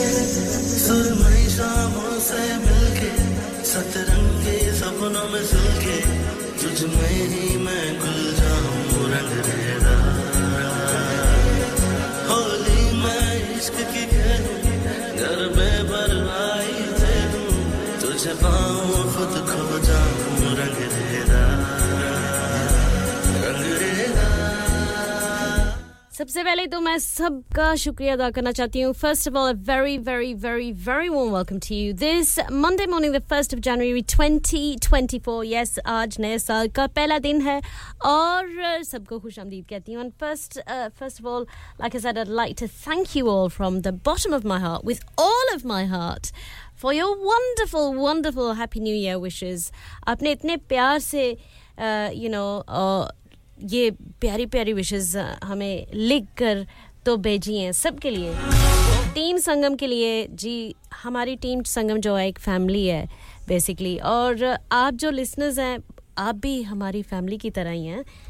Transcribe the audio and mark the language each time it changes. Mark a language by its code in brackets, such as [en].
[hi] सुरमई शामों से मिलके सतरंगे सपनों में सुलके तुझ में ही मैं खुल जाऊं रंग रेरा होली मैं इश्क की कहूं घर में भरवाई दे दूं तुझे पाऊं खुद खो जाऊं रंग रेरा सबसे पहले तो मैं सबका शुक्रिया अदा करना चाहती हूँ. [en] First of all, a very, very, very, very warm welcome to you. This Monday morning, the 1st of January, 2024. Yes, [hi] आज नए साल का पहला दिन है और सबको खुश आमदीद कहती हूँ. [en] And first of all, like I said, I'd like to thank you all from the bottom of my heart, with all of my heart, for your wonderful, wonderful Happy New Year wishes. [hi] आपने इतने प्यार से, you know, ये प्यारी प्यारी wishes हमें लिख कर तो भेजी हैं सबके लिए टीम संगम के लिए. जी हमारी टीम संगम जो है एक फैमिली है बेसिकली और आप जो लिसनर्स हैं आप भी हमारी फैमिली की तरह ही हैं.